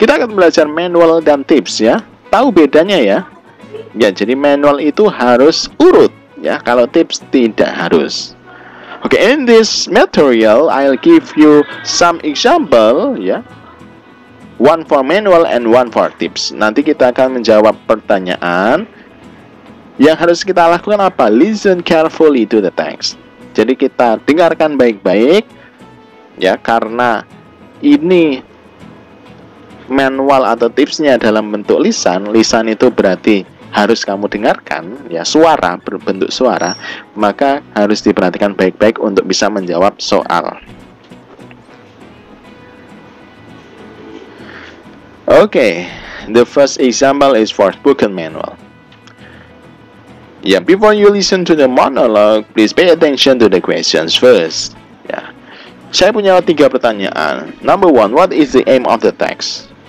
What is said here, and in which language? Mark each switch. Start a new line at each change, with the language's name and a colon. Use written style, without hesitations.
Indonesian: Kita akan belajar manual dan tips ya. Tahu bedanya ya? Ya, jadi manual itu harus urut ya, kalau tips tidak harus.
English: Okay, in this material I'll give you some example ya. One for manual and one for tips.
Indonesian: Nanti kita akan menjawab pertanyaan. Yang harus kita lakukan apa?
English: Listen carefully to the text.
Indonesian: Jadi kita dengarkan baik-baik ya, karena ini manual atau tipsnya dalam bentuk lisan. Lisan itu berarti harus kamu dengarkan ya, suara, berbentuk suara. Maka harus diperhatikan baik-baik untuk bisa menjawab soal.
English: Okay, the first example is for spoken manual. Yeah, before you listen to the monologue, please pay attention to the questions first. Yeah.
Indonesian: Saya punya 3 pertanyaan.
English: Number 1, what is the aim of the text?